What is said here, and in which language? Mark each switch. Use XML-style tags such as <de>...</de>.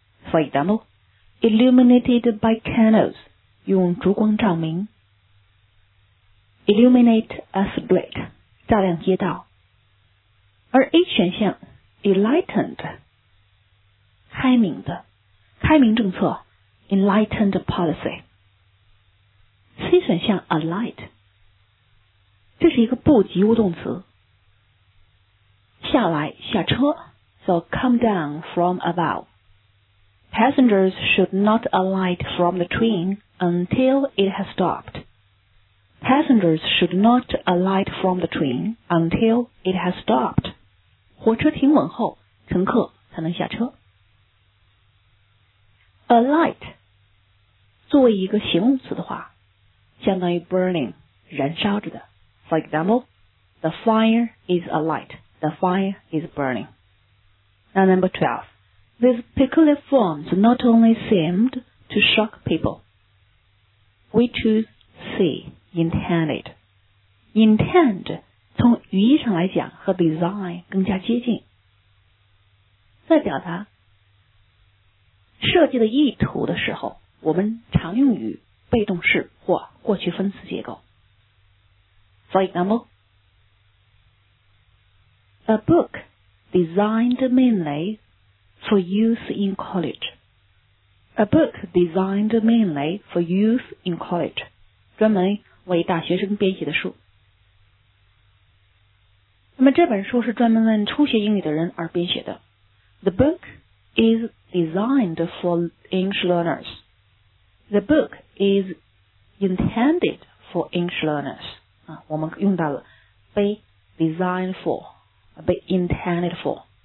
<en>For example, illuminated by candles,</en> <zh>用烛光照明。</zh> <en>Illuminate a street, 照亮街道。</en> <zh>而 A 选项 enlightened, 开明的。开明政策</zh> <en>enlightened policy。</en> <zh>C 选项 alight, 这是一个不及物动词。下来下车。</zh> <en>So come down from above. Passengers should not alight from the train until it has stopped. Passengers should not alight from the train until it has stopped.</en> <zh>火车停稳后，乘客才能下车。 Alight 作为一个形容词的话，相当于 burning, 燃烧着的。</zh> <en>For example, the fire is alight. The fire is burning. Now number 12. These peculiar forms not only seemed to shock people. We choose C, intended.</en> <zh>Intend, 从语义上来讲和 design 更加接近。在表达设计的意图的时候，我们常用于被动式或过去分词结构。</zh> <en>For example, a bookDesigned mainly for use in college. A book designed mainly for use in college.</en> <zh>专门为大学生编写的书。那那么这本书是专门为初学英语的人而编写的。</zh> <en>The book is designed for English learners. The book is intended for English learners.</en> <zh>啊，我们用到了</zh> <en>be designed for, be intended for。</en>